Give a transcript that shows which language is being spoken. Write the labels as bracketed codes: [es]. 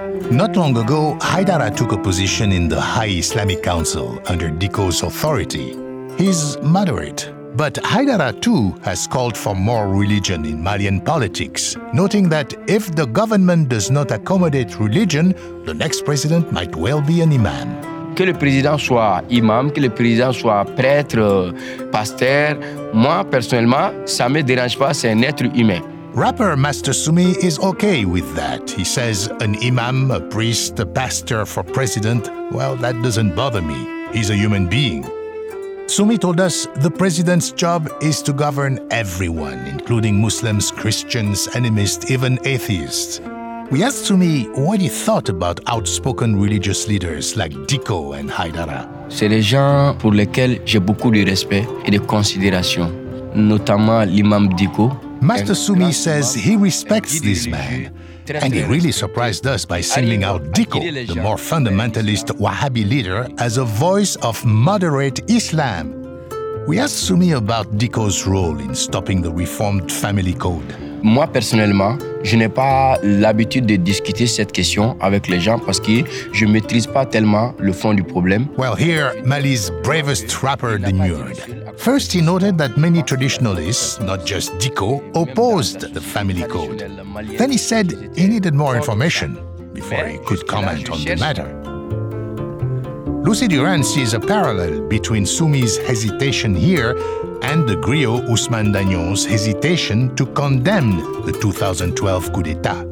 [en] Not long ago, Haidara took a position in the High Islamic Council under Diko's authority. He's moderate. But Haidara, too, has called for more religion in Malian politics, noting that if the government does not accommodate religion, the next president might well be an imam. [fr] Que le président soit imam, que le président soit prêtre, pasteur, moi, personnellement, ça me dérange pas, c'est un être humain. [en] Rapper Master Sumi is okay with that. He says an imam, a priest, a pastor for president, well, that doesn't bother me. He's a human being. Sumi told us the president's job is to govern everyone, including Muslims, Christians, animists, even atheists. We asked Sumi what he thought about outspoken religious leaders like Diko and Haidara. [fr] C'est des gens pour lesquels j'ai beaucoup de respect et de considération, notamment l'imam Diko. [en] Master Sumi says he respects this man. And he really surprised us by singling out Diko, the more fundamentalist Wahhabi leader, as a voice of moderate Islam. We asked Sumi about Diko's role in stopping the reformed family code. [fr] Moi personnellement, je n'ai pas l'habitude de discuter cette question avec les gens parce que je maîtrise pas tellement le fond du problème. [en] Well, here Mali's bravest rapper demurred. First, he noted that many traditionalists, not just Diko, opposed the family code. Then he said he needed more information before he could comment on the matter. Lucy Duran sees a parallel between Sumi's hesitation here and the griot Ousmane Dagnon's hesitation to condemn the 2012 coup d'etat.